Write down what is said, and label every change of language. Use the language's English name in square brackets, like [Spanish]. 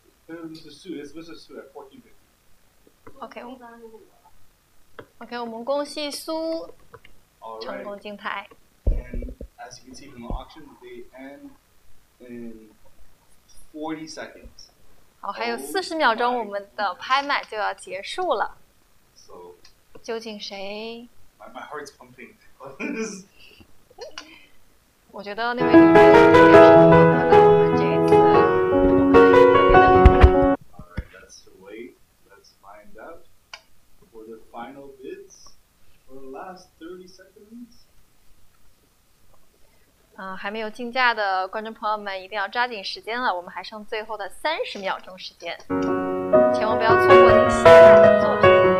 [English] It's Mr. Su at $1,450. [Chinese] Okay. Okay, 我们恭喜苏成功竞台。 [English] And as you can see from the auction, they end in 40 seconds. [Chinese] 好，还有40秒钟我们的拍卖就要结束了。 [English] So, [Chinese] 究竟谁 [English] my heart's pumping. [Chinese] 我觉得那位女生可能我们这一次 [English] Alright, let's wait. Let's find out for the final bids for the last 30 seconds. [Chinese] 还没有竞价的观众朋友们一定要抓紧时间了，我们还剩最后的30秒钟时间，千万不要错过你喜爱的作品。